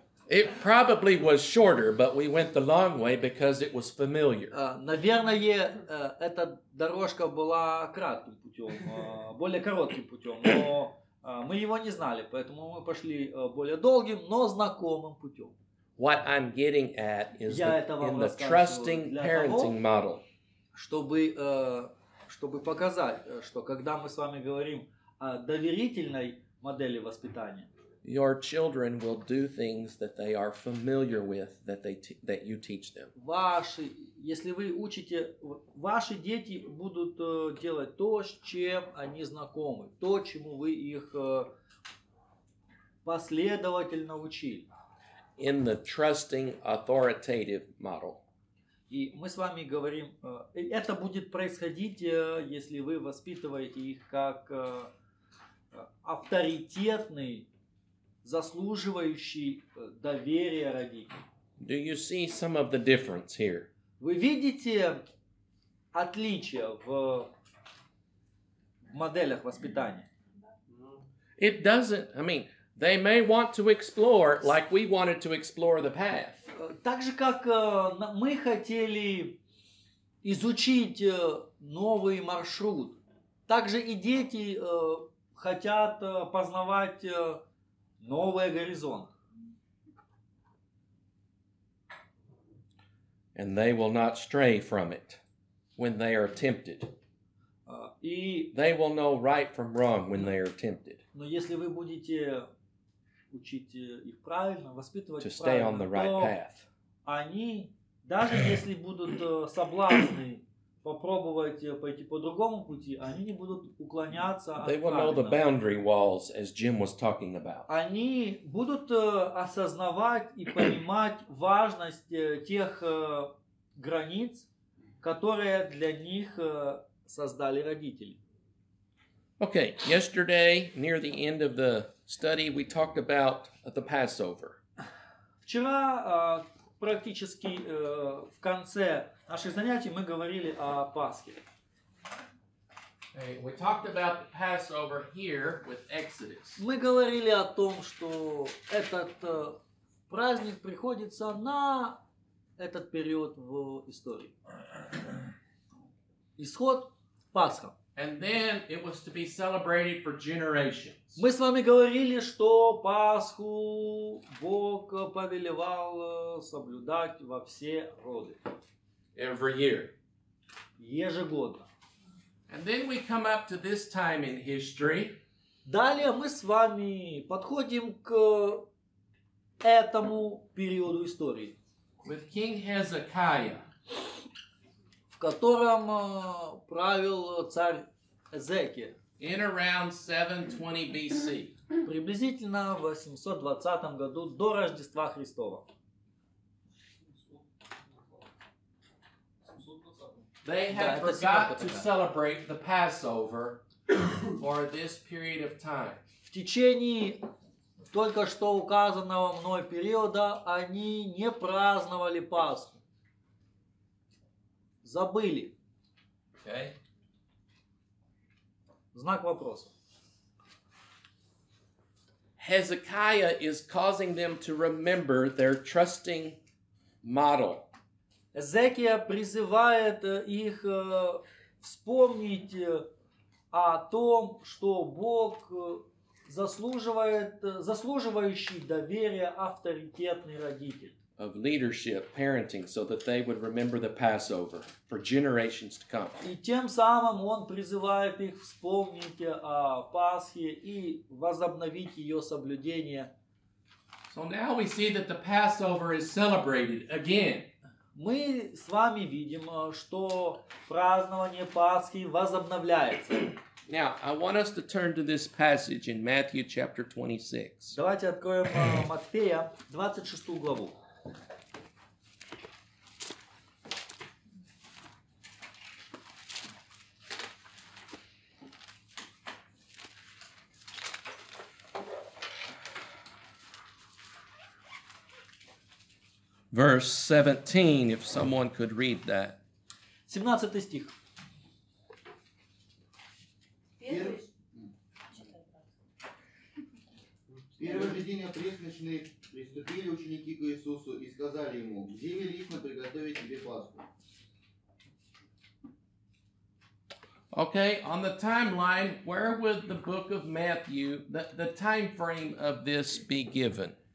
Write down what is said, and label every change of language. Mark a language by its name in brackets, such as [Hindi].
[English] It probably was shorter, but we went the long way because it was familiar. [Russian] Наверное, эта дорожка была кратким путем, более коротким путем, но мы его не знали, поэтому мы пошли более долгим, но знакомым путем. [English] What I'm getting at is the trusting parenting model. [Russian] Чтобы показать, что когда мы с вами говорим о доверительной модели воспитания, [English] your children will do things that they are familiar with, that you teach them. [Russian] Ваши если вы учите, ваши дети будут делать то, с чем они знакомы, то, чему вы их последовательно учили. [English] In the trusting authoritative model. [Russian] И мы с вами говорим, это будет происходить, если вы воспитываете их как авторитетный, заслуживающий доверия родитель. [English] Do you see some of the difference here? [Russian] Вы видите отличия в моделях воспитания? [English] It doesn't, I mean, they may want to explore like we wanted to explore the path. [Russian] Так же, как мы хотели изучить новый маршрут, так же и дети хотят познавать новый горизонт. [English] And they will not stray from it when they are tempted. They will know right from wrong when they are tempted. [Russian] Но если вы будете учить их правильно, воспитывать их правильно, [English] on the right [Russian] то [English] path. [Russian] Они, даже если будут соблазны попробовать пойти по другому пути, они не будут уклоняться [English] they [Russian] от [English] will [Russian] правильного. [English] Know the boundary walls, as Jim was talking about. [Russian] Они будут осознавать и понимать важность тех границ, которые для них создали родители. [English] Okay, yesterday, near the end of the study, we talked about the Passover. [Russian] Вчера, практически в конце наших занятий, мы говорили о Пасхе. [English] We talked about the Passover here with Exodus. [Russian] Мы говорили о том, что этот праздник приходится на этот период в истории. Исход, Пасха. [English] And then it was to be celebrated for generations. [Russian] Мы с вами говорили, что Пасху Бог повелевал соблюдать во все роды. [English] Every year. [Russian] Ежегодно. [English] And then we come up to this time in history. [Russian] Далее мы с вами подходим к этому периоду истории. [English] With King Hezekiah. [Russian] В котором правил царь Эзекия. [English] In around 720 BC. [Russian] Приблизительно в 820 году до Рождества Христова. [English] They had forgot to celebrate the Passover for this period of time. [Russian] В течение только что указанного мной периода они не праздновали Пасху. Забыли. [English] Okay. [Russian] Знак вопроса. [English] Hezekiah is causing them to remember their trusting model. [Russian] Эзекия призывает их вспомнить о том, что Бог заслуживает, заслуживающий доверия авторитетный родитель. [English] Of leadership, parenting, so that they would remember the Passover for generations to come. [Russian] И тем самым он призывает их вспомнить о Пасхе и возобновить ее соблюдение. [English] So now we see that the Passover is celebrated again. [Russian] Мы с вами видим, что празднование Пасхи возобновляется. [English] Now, I want us to turn to this passage in Matthew chapter 26. [Russian] Давайте откроем Матфея 26 главу. [English] Verse 17, if someone could read that. [Russian] 17 стих. Первый же день опресночный приступили ученики к Иисусу и сказали ему, где велично приготовить тебе Пасху. [English] Okay, on the timeline, where would the book of Matthew, the time frame of this be given?